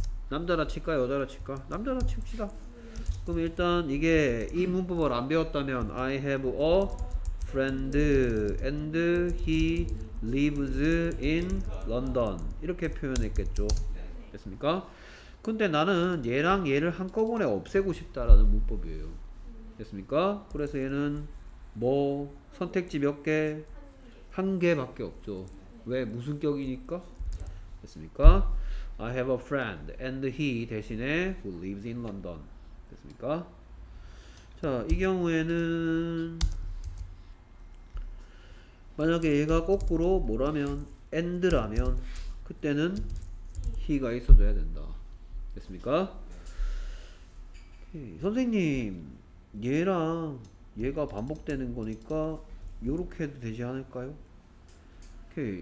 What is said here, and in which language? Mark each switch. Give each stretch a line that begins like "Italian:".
Korean: 남자라 칠까? 여자라 칠까? 남자라 칩시다. 그럼 일단 이게 이 문법을 안 배웠다면
English: I have a friend and he lives in London
Korean: 이렇게 표현했겠죠. 됐습니까? 근데 나는 얘랑 얘를 한꺼번에 없애고 싶다라는 문법이에요. 됐습니까? 그래서 얘는 뭐 선택지 몇 개? 한 개밖에 없죠. 왜? 무슨격이니까? 됐습니까?
English: I have a friend and he
Korean: 대신에
English: who lives in London.
Korean: 됐습니까? 자, 이 경우에는 만약에 얘가 거꾸로 뭐라면 and라면 그때는 he가 있어줘야 된다. 됐습니까? 오케이. 선생님, 얘랑 얘가 반복되는 거니까 요렇게 해도 되지 않을까요? 오케이.